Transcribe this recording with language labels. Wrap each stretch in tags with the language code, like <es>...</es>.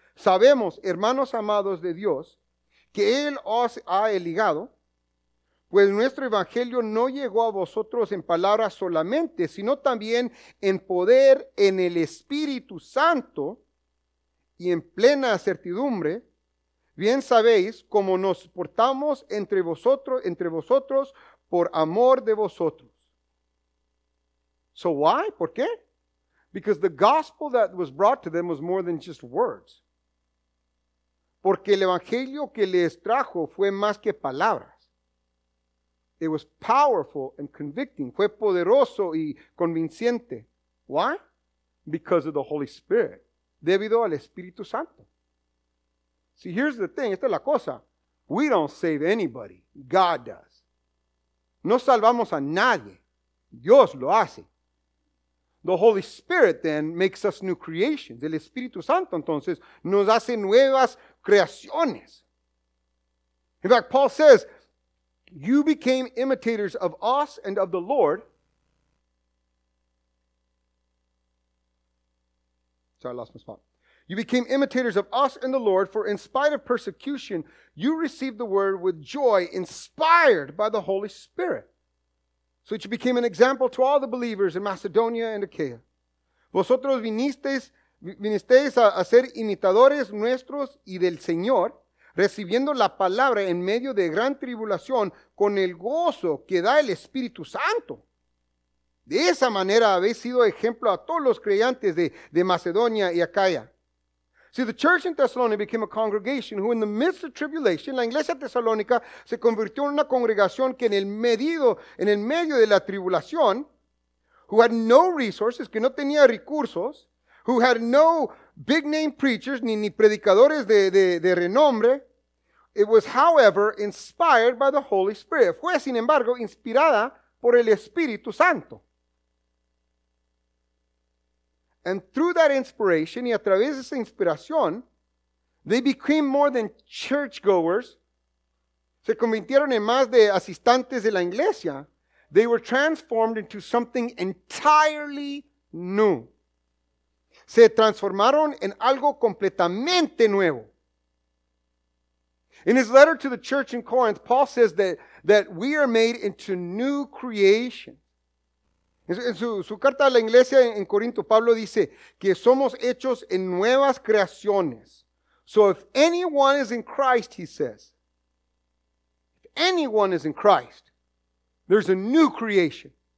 <es>Sabemos, hermanos amados de Dios, que Él os ha eligado, pues nuestro evangelio no llegó a vosotros en palabras solamente, sino también en poder en el Espíritu Santo y en plena certidumbre. Bien sabéis cómo nos portamos entre vosotros por amor de vosotros.</es> <en>So why?</en> <es>¿Por qué?</es> <en>Because the gospel that was brought to them was more than just words.</en> <es>Porque el evangelio que les trajo fue más que palabras.</es> <en>It was powerful and convicting.</en> <es>Fue poderoso y convincente.</es> <en>Why? Because of the Holy Spirit.</en> <es>Debido al Espíritu Santo.</es> <en>See, here's the thing.</en> <es>Esta es la cosa.</es> <en>We don't save anybody. God does.</en> <es>No salvamos a nadie. Dios lo hace.</es> <en>The Holy Spirit then makes us new creations.</en> <es>El Espíritu Santo, entonces, nos hace nuevas creaciones.</es> <en>In fact, Paul says, you became imitators of us and of the Lord. Sorry, I lost my spot. You became imitators of us and the Lord, for in spite of persecution, you received the word with joy, inspired by the Holy Spirit. So it became an example to all the believers in Macedonia and Achaia.</en> <es>Vosotros vinisteis a ser imitadores nuestros y del Señor, recibiendo la palabra en medio de gran tribulación con el gozo que da el Espíritu Santo. De esa manera habéis sido ejemplo a todos los creyentes de Macedonia y Achaia.</es> <en>See, the church in Thessalonica became a congregation who, in the midst of tribulation,</en> <es>la iglesia tesalónica se convirtió en una congregación que en el medio de la tribulación,</es> <en>who had no resources,</en> <es>que no tenía recursos,</es> <en>who had no big name preachers,</en> <es>ni predicadores de renombre.</es> <en>It was, however, inspired by the Holy Spirit.</en> <es>Fue, sin embargo, inspirada por el Espíritu Santo.</es> <en>And through that inspiration,</en> <es>y a través de esa inspiración,</es> <en>they became more than churchgoers.</en> <es>Se convirtieron en más de asistentes de la iglesia.</es> <en>They were transformed into something entirely new.</en> <es>Se transformaron en algo completamente nuevo.</es> <en>In his letter to the church in Corinth, Paul says that we are made into new creation.</en> <es>En su carta a la iglesia en Corinto, Pablo dice que somos hechos en nuevas creaciones.</es> <en>So if anyone is in Christ, he says, if anyone is in Christ, there's a new creation.</en>